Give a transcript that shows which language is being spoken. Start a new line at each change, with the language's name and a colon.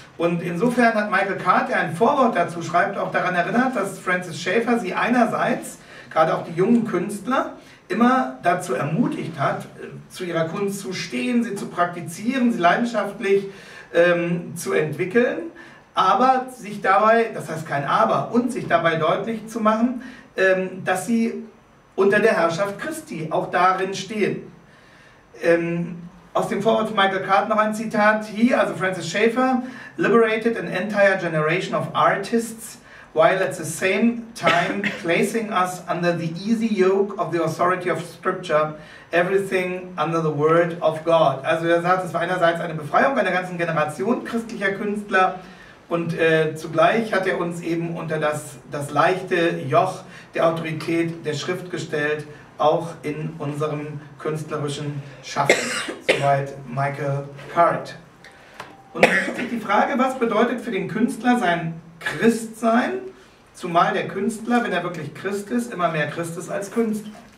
German: Und insofern hat Michael Card, der ein Vorwort dazu schreibt, auch daran erinnert, dass Francis Schaeffer sie einerseits, gerade auch die jungen Künstler, immer dazu ermutigt hat, zu ihrer Kunst zu stehen, sie zu praktizieren, sie leidenschaftlich zu entwickeln. Aber sich dabei, das heißt kein Aber, und sich dabei deutlich zu machen, dass sie unter der Herrschaft Christi auch darin stehen. Aus dem Vorwort von Michael Card noch ein Zitat.
English: He, also Francis Schaeffer, liberated an entire generation of artists, while at the same time placing us under the easy yoke of the authority of scripture, everything under the word of God.
German: Also er sagt, es war einerseits eine Befreiung einer ganzen Generation christlicher Künstler, und zugleich hat er uns eben unter das leichte Joch der Autorität der Schrift gestellt, auch in unserem künstlerischen Schaffen. Soweit Michael Card. Und dann stellt sich die Frage, was bedeutet für den Künstler sein Christsein, zumal der Künstler, wenn er wirklich Christ ist, immer mehr Christ ist als Künstler.